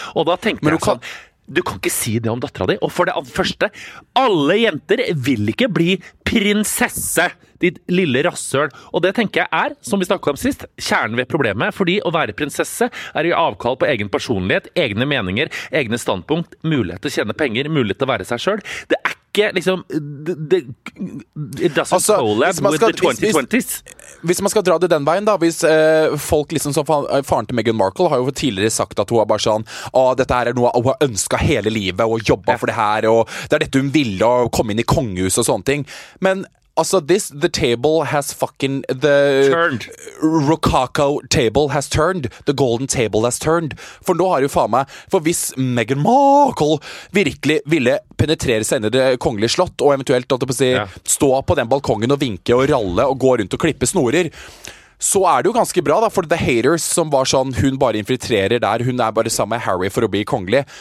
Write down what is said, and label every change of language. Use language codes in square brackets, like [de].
[no] Og da tenkte jeg sånn, du kan ikke si det om datteren din, og for det første, alle jenter vil ikke bli prinsesse, ditt lille rassøl. Og det tenker jeg er, som vi snakket om sist, kjernen ved problemet, fordi å være prinsesse er jo avkall på egen personlighet, egne meninger, egne standpunkt, mulighet til å tjene penger, mulighet til å være seg selv. Det ikke liksom, det [en] doesn't collab [no] altså, [en] with the 2020s. [no] Hvis man skal dra det den veien da, hvis folk liksom som faren til Meghan Markle har jo tidligere sagt at hun har bare sånn, ah, dette her er noe hun har ønsket hele livet, og jobbet ja. For det her, og det dette hun ville, og komme inn i kongehus og sånne ting. Men altså, [en] this, the table has fucking, the turned. Rococo table has turned, the golden table has turned. [no] For nå har jo faen meg, for hvis Meghan Markle virkelig ville penetrere seg inn i det kongelige slott, og eventuelt å si, ja. Stå på den balkongen og vinke og ralle og gå rundt og klippe snorer, så er det jo ganske bra da, for [en] the haters [no] som var sånn, hun bare infiltrerer der, hun er bare sammen med Harry for å bli kongelig.